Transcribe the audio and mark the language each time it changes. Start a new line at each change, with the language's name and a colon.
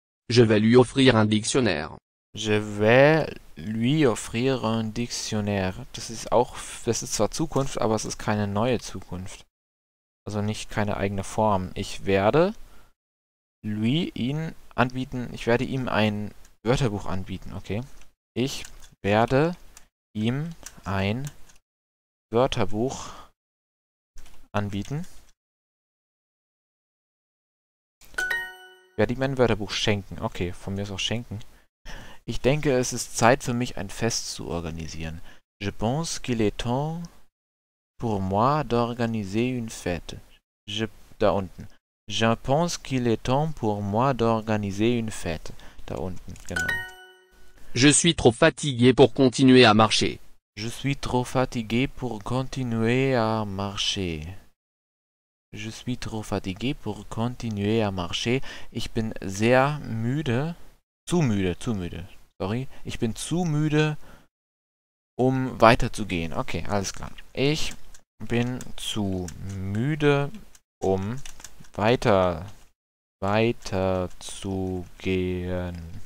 French: Je vais lui offrir un dictionnaire. Je vais lui offrir un dictionnaire.
German: Das ist zwar Zukunft, aber es ist keine neue Zukunft. Also nicht keine eigene Form. Ich werde lui ihn anbieten. Ich werde ihm ein Wörterbuch anbieten, okay? Ich werde ihm ein Wörterbuch anbieten. Werde ihm ein Wörterbuch schenken. Okay, von mir ist auch schenken. Ich denke, es ist Zeit für mich, ein Fest zu organisieren.
French: Je pense qu'il est temps pour moi d'organiser une fête.
German: Da unten.
French: Je pense qu'il est temps pour moi d'organiser une fête.
German: Da unten, genau.
French: Je suis trop fatigué pour continuer à marcher. Je suis trop fatigué pour continuer à marcher. Je suis trop fatigué pour continuer à marcher.
German: Ich bin sehr müde. Zu müde, zu müde. Sorry. Ich bin zu müde, um weiterzugehen. Okay, alles klar. Ich bin zu müde, um weiterzugehen.